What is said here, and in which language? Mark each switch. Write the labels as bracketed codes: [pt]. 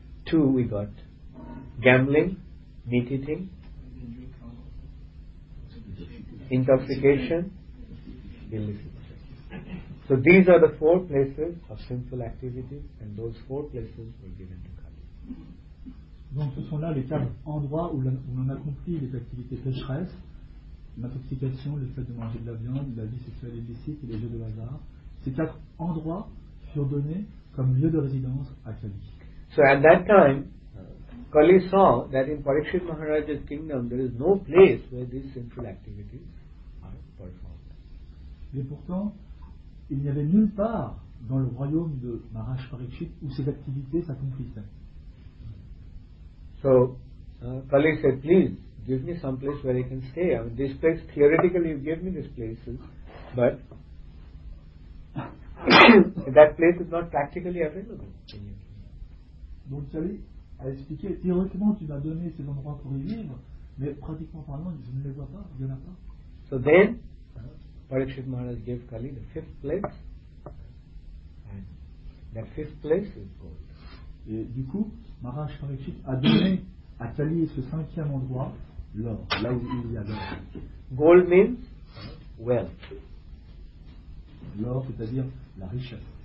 [en] Two we got. Gambling, meat eating, intoxication, illicit. So these are the four places of sinful activities, and those four places were given to Kali. [fr] Donc ce sont là les quatre endroits où l'on accomplit les activités pécheresses, l'intoxication, le fait de manger de la viande, la vie sexuelle illicite et les jeux de hasard. Ces quatre endroits furent donnés comme lieu de résidence à Kali. [en] So at that time, Kali saw that in Parikshit Maharaj's kingdom there is no place where these sinful activities are performed. [fr] Mais pourtant, il n'y avait nulle part dans le royaume de Maharaj Parikshit où ces activités s'accomplissaient. [en] So Kali said, please give me some place where I can stay. I mean, this place, theoretically you give me this place, but that place is not practically available. [fr] Donc Kali a expliqué, théoriquement tu m'as donné ces endroits pour y vivre, mais pratiquement parlant, je ne les vois pas, il n'y en a pas. [en] So then Parikshit Maharaj gave Kali the fifth place, and that fifth place is gold. [fr] Et du coup, Maharaj Parikshit a donné à Kali ce cinquième endroit, l'or, là où il y a l'or. [en] Gold means wealth. [fr] L'or, c'est-à-dire la richesse.